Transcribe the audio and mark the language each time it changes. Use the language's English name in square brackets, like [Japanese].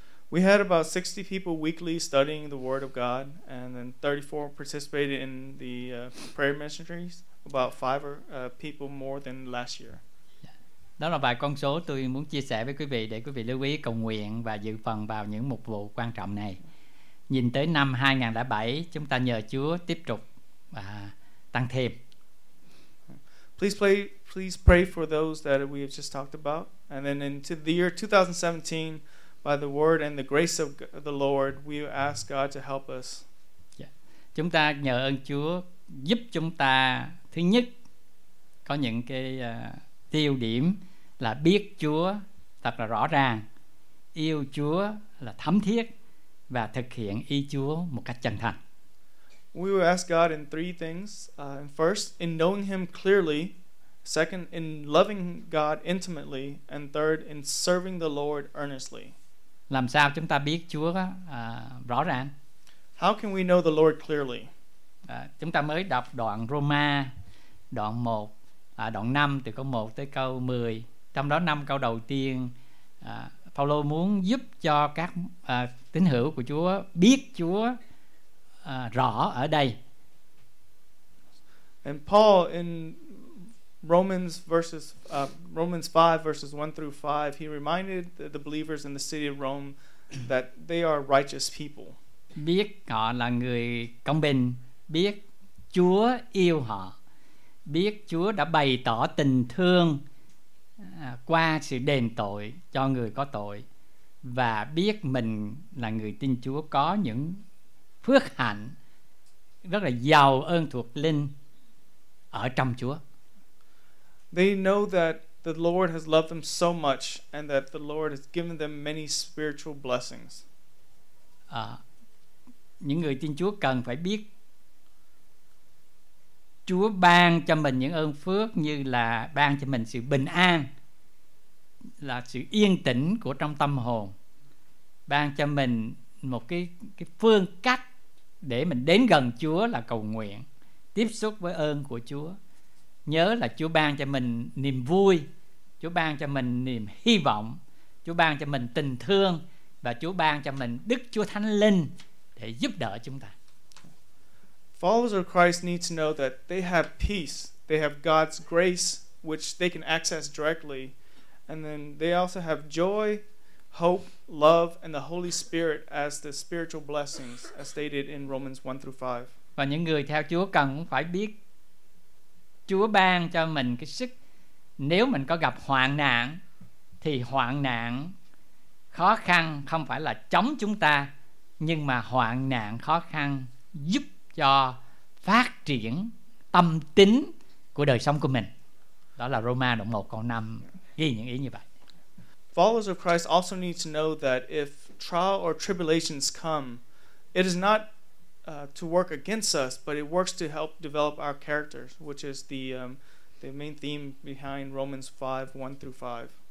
[English] We had about 60 people weekly studying the Word of God, and then 34 participated in the prayer ministries, about 5 people more than last year. [Vietnamese] Đó là vài con số tôi muốn chia sẻ với quý vị để quý vị lưu ý cầu nguyện và dự phần vào những mục vụ quan trọng này. Nhìn tới năm 2007, chúng ta nhờ Chúa tiếp tục tăng thêm. [English] Please pray for those that we have just talked about. And then into the year 2017, by the word and the grace of the Lord, we ask God to help us. Yeah. [Vietnamese] Chúng ta nhờ ơn Chúa giúp chúng ta, thứ nhất, có những cái tiêu điểm là biết Chúa thật là rõ ràng, yêu Chúa là thấm thiết và thực hiện ý Chúa một cách chân thành. [English] We will ask God in 3 things. First, in knowing Him clearly. Second, in loving God intimately. And third, in serving the Lord earnestly. [Vietnamese] Làm sao chúng ta biết Chúa rõ ràng? [English] How can we know the Lord clearly? [Vietnamese] Chúng ta mới đọc đoạn Roma, đoạn 1, đoạn 5 từ câu 1 tới câu 10. Trong đó 5 câu đầu tiên, Paulo muốn giúp cho các tín hữu của Chúa biết Chúa rõ ở đây. [English] And Paul in Romans 5 verses 1 through 5, he reminded the believers in the city of Rome that they are righteous people. [Vietnamese] biết họ là người công bình, biết Chúa yêu họ, biết Chúa đã bày tỏ tình thương qua sự đền tội cho người có tội, và biết mình là người tin Chúa có những phước hạnh rất là giàu ơn thuộc linh ở trong Chúa. [English] They know that the Lord has loved them so much and that the Lord has given them many spiritual blessings. [Vietnamese] Những người tin Chúa cần phải biết Chúa ban cho mình những ơn phước như là ban cho mình sự bình an, là sự yên tĩnh của trong tâm hồn, ban cho mình một cái phương cách để mình đến gần Chúa là cầu nguyện, tiếp xúc với ơn của Chúa. Nhớ là Chúa ban cho mình niềm vui, Chúa ban cho mình niềm hy vọng, Chúa ban cho mình tình thương, và Chúa ban cho mình Đức Chúa Thánh Linh để giúp đỡ chúng ta. [English] Followers of Christ need to know that they have peace, they have God's grace which they can access directly, and then they also have joy, hope, love, and the Holy Spirit as the spiritual blessings as stated in Romans 1 through 5. [Vietnamese] Và những người theo Chúa cần phải biết Chúa ban cho mình cái sức, nếu mình có gặp hoạn nạn thì hoạn nạn khó khăn không phải là chống chúng ta, nhưng mà hoạn nạn khó khăn giúp cho phát triển tâm tính của đời sống của mình. Đó là Roma đoạn 1 câu 5 ghi những ý như vậy. [English] Followers of Christ also need to know that if trial or tribulations come, it is not to work against us, but it works to help develop our characters, which is the main theme behind Romans 5:1 through 5.